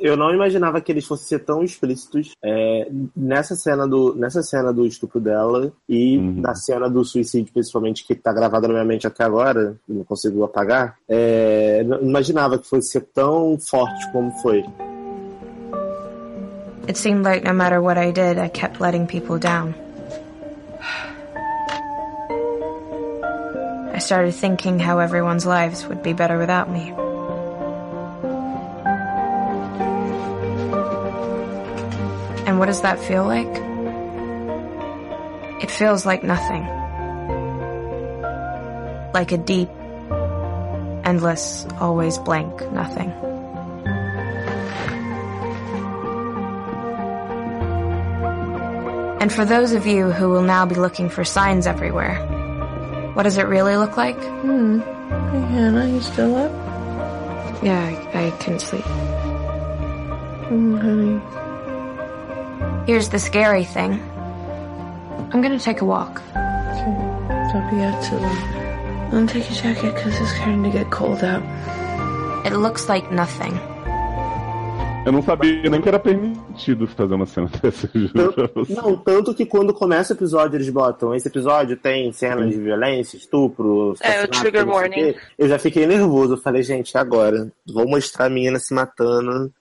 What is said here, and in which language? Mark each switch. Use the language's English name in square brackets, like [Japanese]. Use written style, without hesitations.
[Portuguese] Eu não imaginava que eles fossem ser tão explícitos nessa cena do estupro dela e na cena do suicídio, principalmente, que tá gravada na minha mente até agora, não consigo apagar. É, não imaginava que fosse ser tão forte como foi. [English] It seemed like no matter what I did, I kept letting people down. I started thinking how everyone's lives would be better without me. And what does that feel like? It feels like nothing. Like a deep, endless, always blank nothing. And for those of you who will now be looking for signs everywhere, what does it really look like? Hey, Hannah, you still up? Yeah, I couldn't sleep. Honey. Here's the scary thing. I'm gonna take a walk. Don't be out too long. I'll take your jacket because it's starting to get cold out. It looks like nothing. [Portuguese] Eu não sabia nem que era permitido fazer uma cena dessa, juro. Não, tanto que quando começa o episódio, eles botam, esse episódio tem cenas de violência, estupro, o trigger warning. Eu já fiquei nervoso, falei, gente, agora, vou mostrar a menina se matando.